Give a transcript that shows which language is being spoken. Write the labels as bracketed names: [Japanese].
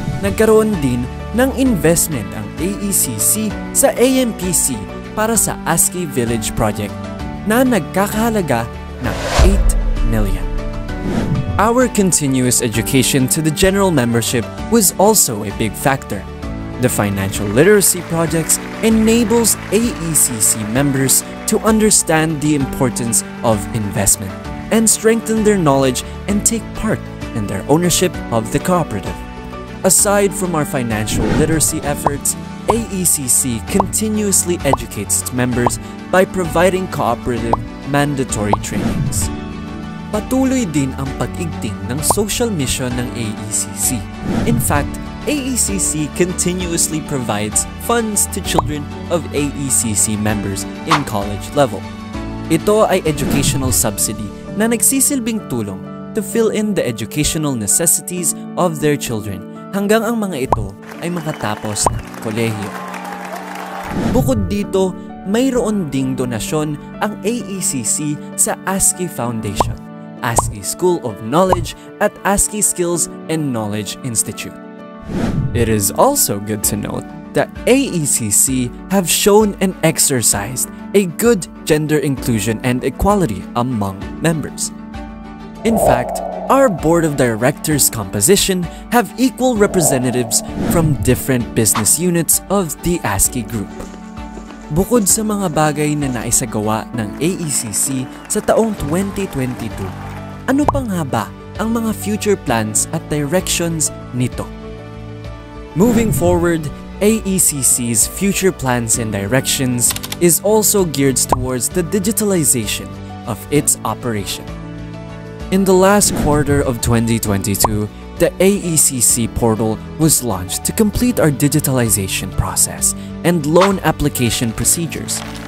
[Filipino] Nagkaroon din ng investment ang AECC sa AMPC para sa ASKI Village Project na nagkakahalaga ng 8 million. [English] Our continuous education to the general membership was also a big factor. The financial literacy projects enables AECC members to understand the importance of investment and strengthen their knowledge and take part in their ownership of the cooperative. Aside from our financial literacy efforts, AECC continuously educates its members by providing cooperative mandatory trainings. [Filipino] Patuloy din ang pag-igting ng social mission ng AECC. [English] In fact, AECC continuously provides funds to children of AECC members in college level. [Filipino] Ito ay educational subsidy na nagsisilbing tulong [English] to fill in the educational necessities of their children [Filipino] hanggang ang mga ito ay makatapos ng kolehiyo. Bukod dito, mayroon ding donasyon ang AECC sa ASKI Foundation, ASKI School of Knowledge, at ASKI Skills and Knowledge Institute. [English] It is also good to note that AECC have shown and exercised a good gender inclusion and equality among members. In fact, our board of directors' composition have equal representatives from different business units of the ASKI group. [Filipino] Bukod sa mga bagay na naisagawa ng AECC sa taong 2022, ano pa nga ba ang mga future plans at directions nito? [English] Moving forward, AECC's future plans and directions is also geared towards the digitalization of its operation. In the last quarter of 2022, the AECC portal was launched to complete our digitalization process and loan application procedures.